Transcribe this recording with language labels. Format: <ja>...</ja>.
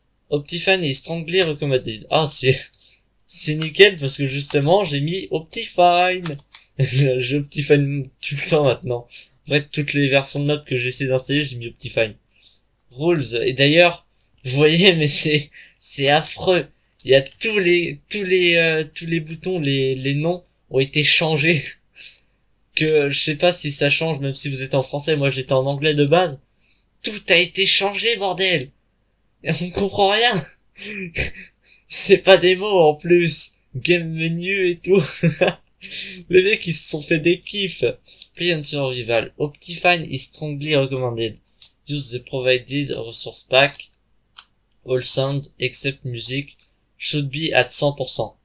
<en>Optifan is strongly recommended.</en> <fr>Ah, c'est nickel parce que justement j'ai mis Optifine. J'ai Optifine tout le temps maintenant. En fait, toutes les versions de map que j'essaie d'installer, j'ai mis Optifine. Rules. Et d'ailleurs, vous voyez, mais c'est affreux. Il y a tous les boutons, les noms ont été changés. Que je sais pas si ça change, même si vous êtes en français, moi j'étais en anglais de base. Tout a été changé, bordel! On comprend rien. C'est pas des mots en plus. Game menu et tout. Les mecs, ils se sont fait des kiffs.</fr> <en>Play on survival. Optifine is strongly recommended. Use the provided resource pack. all sound except music should be at 100%.</en>